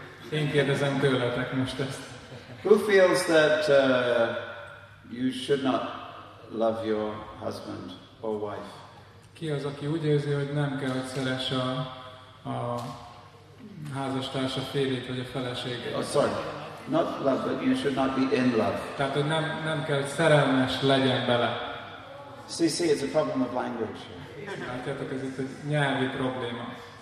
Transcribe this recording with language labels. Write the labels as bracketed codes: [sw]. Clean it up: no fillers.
[hu] Én kérdezem tőletek most ezt. [en] Who feels that you should not love your husband or wife? [hu] Ki az, aki úgy érzi, hogy nem kell, hogy szeresse a házastársa férjét vagy a feleséget. [en] Oh, sorry, not love, but you should not be in love. [hu] Tehát, hogy nem kell, hogy szerelmes legyen bele. [en] See, it's a problem of language. [hu] Látjátok, ez itt egy nyelvi probléma.